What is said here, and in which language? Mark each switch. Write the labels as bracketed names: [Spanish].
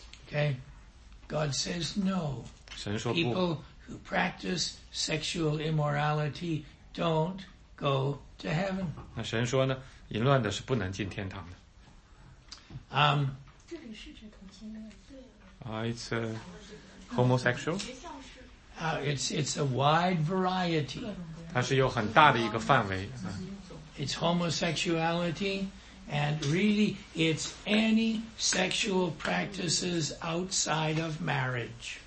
[English] Okay, God says no. [Chinese] 神说不。 [English] People who practice sexual immorality don't go to heaven. [Chinese] 那神说呢，淫乱的是不能进天堂的。 [English] It's a homosexual. It's a wide variety. [Chinese] 它是有很大的一个范围。 [English] It's homosexuality, and really, it's any sexual practices outside of marriage.